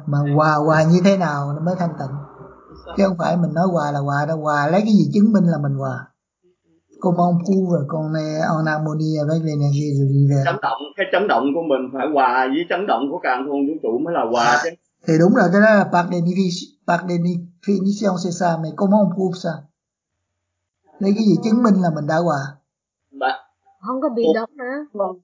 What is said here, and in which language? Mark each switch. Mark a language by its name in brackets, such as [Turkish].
[Vietnamese] Mà hòa hòa như thế nào nó mới thanh tịnh? Chứ không phải mình nói hòa là hòa đâu. Hòa lấy cái gì chứng minh là mình hòa? [French] Comment prouve qu'on est en harmonie avec l'énergie de l'univers? [Vietnamese] Chấn động, cái chấn động của mình phải hòa với chấn động của càn khôn vũ trụ mới là hòa. Thì đúng rồi, cái đó là [French] par définition c'est ça, mais comment on prouve ça? [Vietnamese] Lấy cái gì chứng minh là mình đã hòa? Không có bị động nữa.